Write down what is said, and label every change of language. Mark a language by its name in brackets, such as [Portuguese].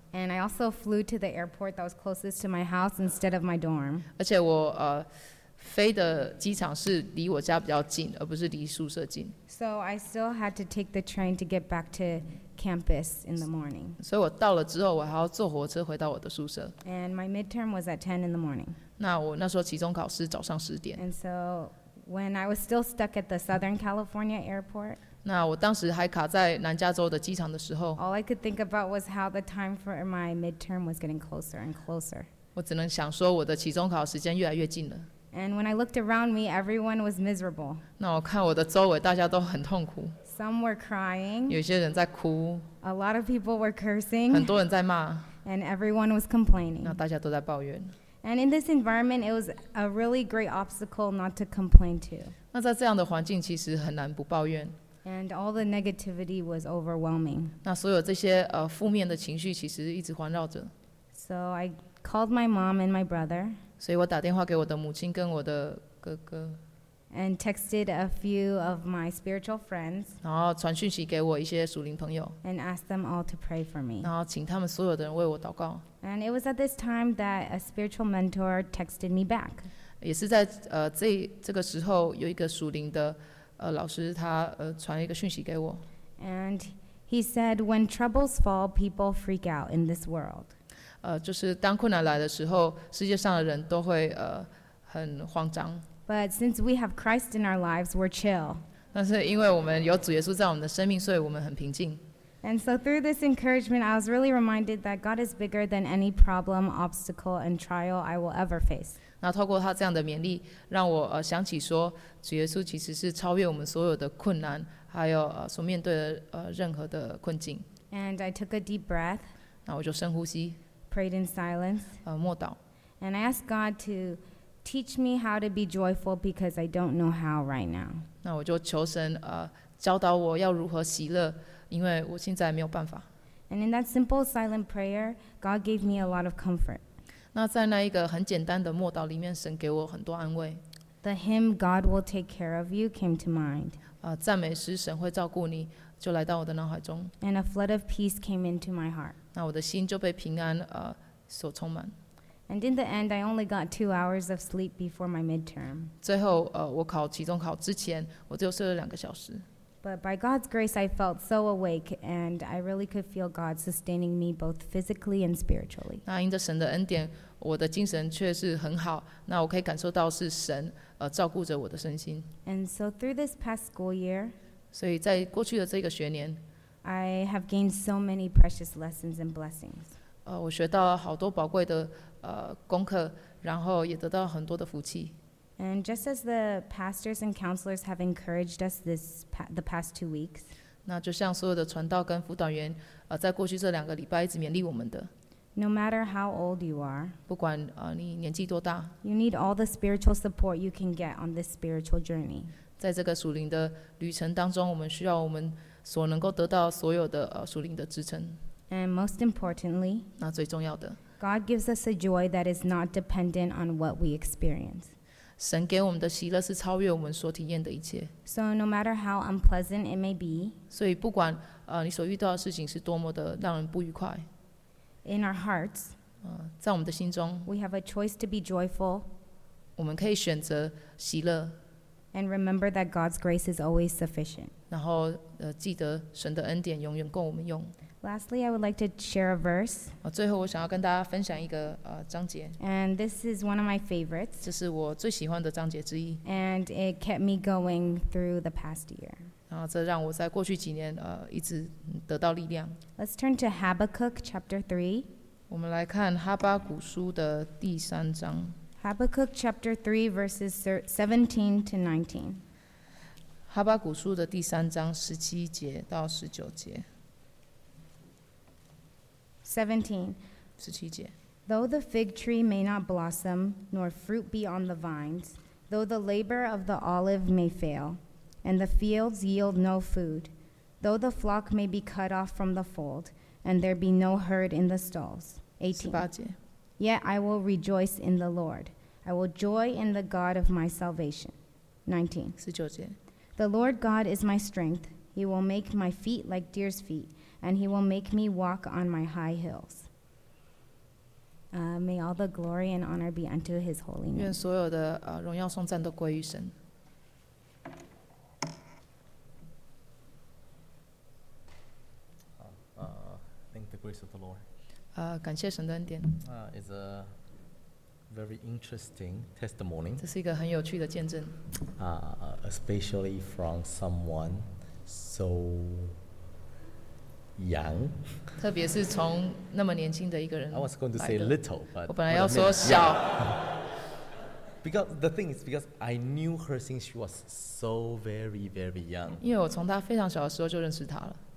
[English] And I also flew to the airport that was closest to my house instead of my dorm. [Chinese] 而且我飞的机场是离我家比较近，而不是离宿舍近。 [English] So I still had to take the train to get back to campus in the morning. [Chinese] 所以我到了之后，我还要坐火车回到我的宿舍。 [English] And my midterm was at 10 in the morning. [Chinese] 那我那时候期中考是早上10点。 [English] And so when I was still stuck at the Southern California airport. [Chinese] 那我当时还卡在南加州的机场的时候。 [English] All I could think about was how the time for my midterm was getting closer and closer. [Chinese] 我只能想说我的期中考时间越来越近了。 [English] And when I looked around me, everyone was miserable. [Chinese] 那我看我的周围，大家都很痛苦。 [English] Some were crying. [Chinese] 有些人在哭。 [English] A lot of people were cursing. [Chinese] 很多人在骂。 [English] And everyone was complaining. [Chinese] 那大家都在抱怨。 [English] And in this environment, it was a really great obstacle not to complain to. [Chinese] 那在这样的环境，其实很难不抱怨。 [English] And all the negativity was overwhelming. [Chinese] 那所有这些负面的情绪，其实一直环绕着。 [English] So I called my mom and my brother. [Chinese] 所以我打电话给我的母亲跟我的哥哥 [English] ，and texted a few of my spiritual friends， [Chinese] 然后传讯息给我一些属灵朋友 [English] ，and asked them all to pray for me， [Chinese] 然后请他们所有的人为我祷告。 [English] And it was at this time that a spiritual mentor texted me back。 [Chinese] 也是在这个时候，有一个属灵的老师他传一个讯息给我。 [English] And he said, when troubles fall, people freak out in this world。 [Chinese] 就是当困难来的时候，世界上的人都会很慌张。 [English] But since we have Christ in our lives, we're chill. [Chinese] 但是因为我们有主耶稣在我们的生命，所以我们很平静。 [English] And so through this encouragement, I was really reminded that God is bigger than any problem, obstacle, and trial I will ever face. [Chinese] 那透过他这样的勉励，让我想起说，主耶稣其实是超越我们所有的困难，还有所面对的任何的困境。 [English] And I took a deep breath. [Chinese] 那我就深呼吸。 [English] Prayed in silence. [Chinese] 默祷。 [English] And I asked God to teach me how to be joyful because I don't know how right now. [Chinese] 那我就求神教导我要如何喜乐，因为我现在没有办法。 [English] And in that simple silent prayer, God gave me a lot of comfort. [Chinese] 那在那一个很简单的默祷里面，神给我很多安慰。 [English] The hymn "God will take care of you" came to mind. [Chinese] 赞美诗神会照顾你就来到我的脑海中。 [English] And a flood of peace came into my heart. [Chinese] 那我的心就被平安所充满。 [English] And in the end, I only got 2 hours of sleep before my midterm. [Chinese] 最后我考期中考之前，我只有睡了2个小时。 [English] But by God's grace, I felt so awake, and I really could feel God sustaining me both physically and spiritually. [Chinese] 那因着神的恩典，我的精神却是很好。那我可以感受到是神照顾着我的身心。 [English] And so through this past school year, [Chinese] 所以在过去的这个学年。 [English] I have gained so many precious lessons and blessings. [Chinese] 我学到好多宝贵的功课，然后也得到很多的福气。 [English] And just as the pastors and counselors have encouraged us the past two weeks. [Chinese] 那就像所有的传道跟辅导员在过去这2个礼拜一直勉励我们的。 [English] No matter how old you are, [Chinese] 不管你年纪多大， [English] you need all the spiritual support you can get on this spiritual journey. [Chinese] 在这个属灵的旅程当中，我们需要我们。所能够得到所有的属灵的支撑。 [English] And most importantly, [Chinese] 那最重要的。 [English] God gives us a joy that is not dependent on what we experience. [Chinese] 神给我们的喜乐是超越我们所体验的一切。 [English] So no matter how unpleasant it may be, [Chinese] 所以不管你所遇到的事情是多么的让人不愉快。 [English] In our hearts, [Chinese] 在我们的心中。 [English] We have a choice to be joyful. [Chinese] 我们可以选择喜乐。 [English] And remember that God's grace is always sufficient. [Chinese] 然后记得神的恩典永远够我们用。 [English] Lastly, I would like to share a verse. [Chinese] 最后我想要跟大家分享一个章节。 [English] And this is one of my favorites. [Chinese] 这是我最喜欢的章节之一。 [English] And it kept me going through the past year. [Chinese] 然后这让我在过去几年一直得到力量。 [English] Let's turn to Habakkuk chapter 3. [Chinese] 我们来看哈巴谷书的第三章。 [English] Habakkuk chapter 3 verses 17 to 19. [Chinese] 哈巴谷书的第三章17节到19节。 [English] 17. Though the fig tree may not blossom, nor fruit be on the vines, though the labor of the olive may fail, and the fields yield no food, though the flock may be cut off from the fold, and there be no herd in the stalls. 18. Yet I will rejoice in the Lord. I will joy in the God of my salvation. 19. The Lord God is my strength. He will make my feet like deer's feet, and he will make me walk on my high hills. May all the glory and honor be unto his holy name. [Chinese] 愿所有的荣耀颂赞都归于神。 [English] Thank the grace of the Lord. [Chinese] 感谢神的恩典。 [English] It's a very interesting testimony. [Chinese] 这是一个很有趣的见证。 [English] Especially from someone so young. [Chinese] 特别是从那么年轻的一个人。 [English] I was going to say little, but [Chinese] 我本来要说小。 [English] Because the thing is, because I knew her since she was so very, very young. [Chinese] 因为我从她非常小的时候就认识她了。